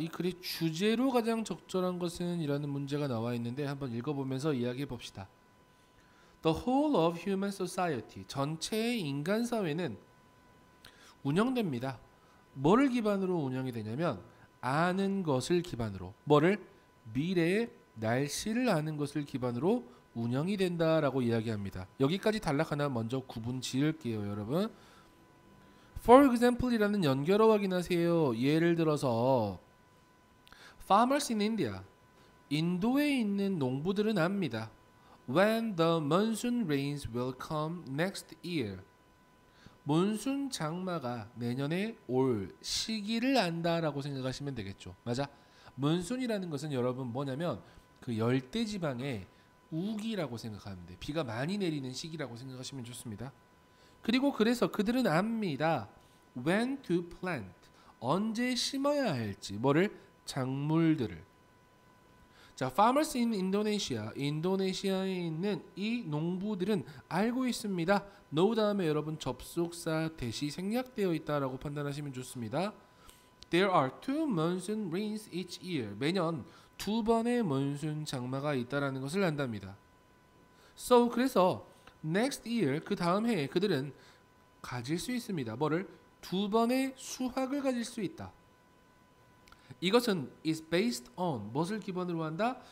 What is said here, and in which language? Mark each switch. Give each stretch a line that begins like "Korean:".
Korean: 이 글의 주제로 가장 적절한 것은 이라는 문제가 나와 있는데 한번 읽어보면서 이야기해 봅시다.
English: The whole of human society,
Korean: 전체의 인간 사회는 운영됩니다. 뭐를 기반으로 운영이 되냐면 아는 것을 기반으로, 뭐를? 미래의 날씨를 아는 것을 기반으로 운영이 된다라고 이야기합니다. 여기까지 단락 하나 먼저 구분 지을게요, 여러분.
English: For example
Korean: 이라는 연결어 확인하세요. 예를 들어서
English: Farmers in India.
Korean: 인도에 있는 농부들은 압니다.
English: When the monsoon rains will come next year.
Korean: 몬순 장마가 내년에 올 시기를 안다라고 생각하시면 되겠죠. 맞아. 몬순이라는 것은 여러분 뭐냐면 그 열대 지방의 우기라고 생각하면 돼. 비가 많이 내리는 시기라고 생각하시면 좋습니다. 그리고 그래서 그들은 압니다.
English: When to plant,
Korean: 언제 심어야 할지, 뭐를? 작물들을. 자,
English: farmers in Indonesia,
Korean: 인도네시아에 있는 이 농부들은 알고 있습니다. know 다음에 여러분 접속사 대시 생략되어 있다라고 판단하시면 좋습니다.
English: There are two monsoon rains each year.
Korean: 매년 두 번의 몬순 장마가 있다라는 것을 안답니다.
English: So,
Korean: 그래서
English: next year,
Korean: 그 다음 해에 그들은 가질 수 있습니다. 뭐를? 두 번의 수확을 가질 수 있다. 이것은
English: is based on
Korean: 무엇을 기반으로 한다?